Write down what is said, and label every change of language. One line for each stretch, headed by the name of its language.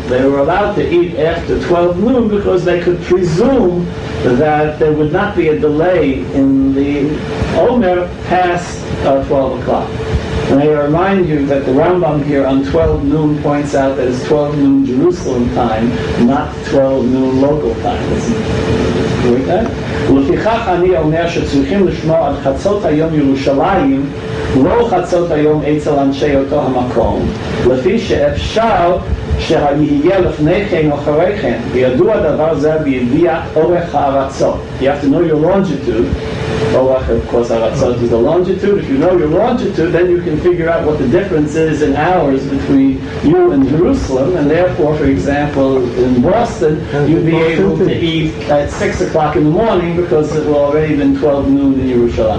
English: They were allowed to eat after 12 noon because they could presume that there would not be a delay in the Omer past 12 o'clock. May I remind you that the Rambam here on 12 noon points out that it's 12 noon Jerusalem time, not 12 noon local time.
Hebrew: לפיכך אני אומר שצריכים לשמוע על חצות היום ירושלים לא חצות היום אצל אנשי אותו המקום לפי שאפשר שיהיה לפני כן או אחרי כן וידוע הדבר זה בידיעת אורך הארצות.
English: You have to know your longitude. Oh, of course, Aratzot is the longitude. If you know your longitude, then you can figure out what the difference is in hours between you and Jerusalem. And therefore, for example, in Boston, you'd be able to eat at 6 o'clock in the morning because it will already been 12 noon in Jerusalem.